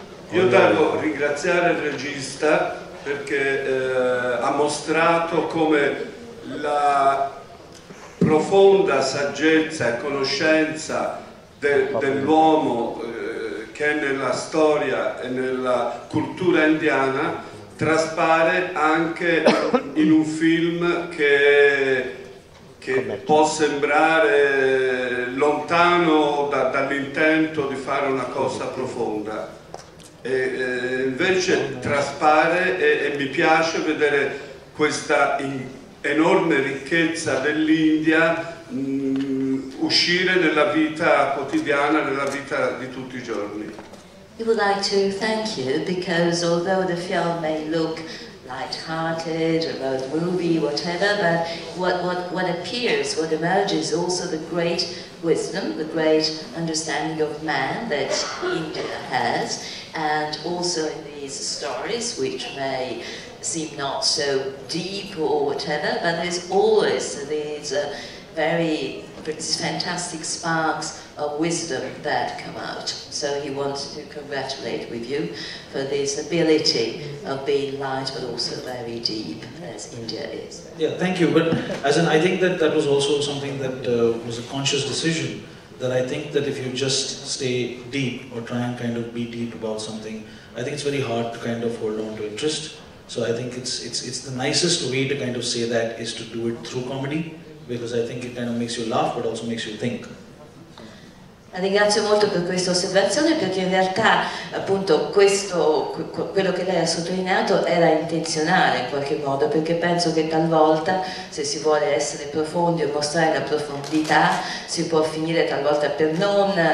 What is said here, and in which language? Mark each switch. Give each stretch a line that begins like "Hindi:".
Italian: Io devo ringraziare il regista perché ha mostrato come la profonda saggezza e conoscenza dell'uomo che nella storia e nella cultura indiana traspare anche in un film che può sembrare lontano dall'intento di fare una cosa profonda. Invece traspare e mi piace vedere questa enorme ricchezza dell'India uscire nella vita quotidiana, nella vita di tutti i giorni.
English: We would like to thank you because although the film may look light-hearted, a road movie, whatever, but what appears, what emerges is also the great wisdom, the great understanding of man that India has, and also in these stories which may seem not so deep or whatever, but there's always these very fantastic sparks of wisdom that come out. So he wants to congratulate with you for this ability of being light but also very deep, as India is. Yeah, thank you. But as in, I think that was also something that was a conscious decision, that I think that if you just stay deep or try and kind of be deep about something, I think it's very hard to kind of hold on to interest. So I think it's the nicest way to kind of say that is to do it through comedy, because I think it kind of makes you laugh but also makes you think.
Italian: Ringrazio molto per questa osservazione, perché in realtà appunto quello che lei ha sottolineato era intenzionale in qualche modo, perché penso che talvolta, se si vuole essere profondi o mostrare la profondità, si può finire talvolta per non